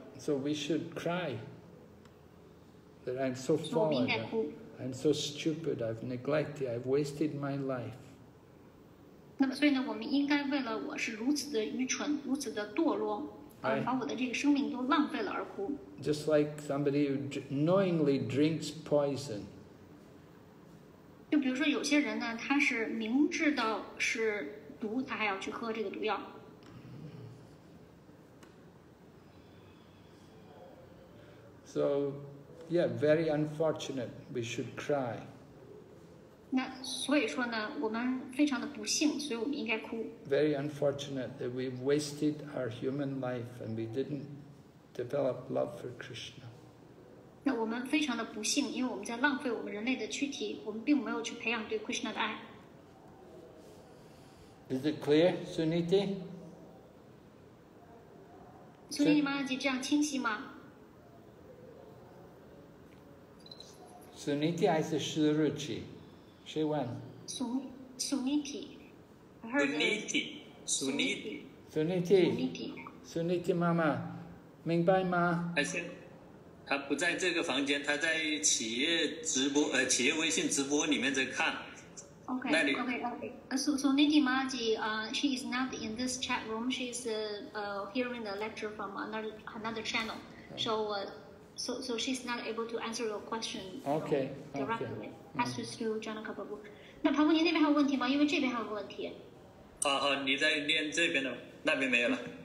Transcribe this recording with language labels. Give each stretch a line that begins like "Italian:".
English: So we should cry that I'm so fallen. I'm so stupid, I've neglected, I've wasted my life.
Chinese: 那么所以呢，我们应该为了我是如此的愚蠢，如此的堕落，把我的这个生命都浪费了而哭。
English: Just like somebody who knowingly drinks poison.
Chinese: 就比如说有些人呢，他是明知道是毒，他还要去喝这个毒药。
English: So... Yeah, very unfortunate. We should cry.
Chinese: 那所以说呢，我们非常的不幸，所以我们应该哭。
English: Very unfortunate that we wasted our human life and we didn't develop love for Krishna.
Chinese: 那我们非常的不幸，因为我们在浪费我们人类的躯体，我们并没有去培养对 Krishna 的爱。
English: Is it clear, Suniti?
Chinese: Suniti Maharaj, 这样清晰吗？ Suniti 还是 Suruchi， 谁问？Suniti， Suniti， Suniti， Suniti， Suniti 妈妈，明白吗？他不在这个房间，他在企业直播，企业微信直播里面在看。
English: Okay. Suniti Maharaj, she is not in this chat room. She is hearing the lecture from another channel. So she's not able to answer your question directly. Has to still join a couple of books.
Chinese: 那庞峰，您那边还有问题吗？因为这边还有个问题。好，你在念这边的，那边没有了。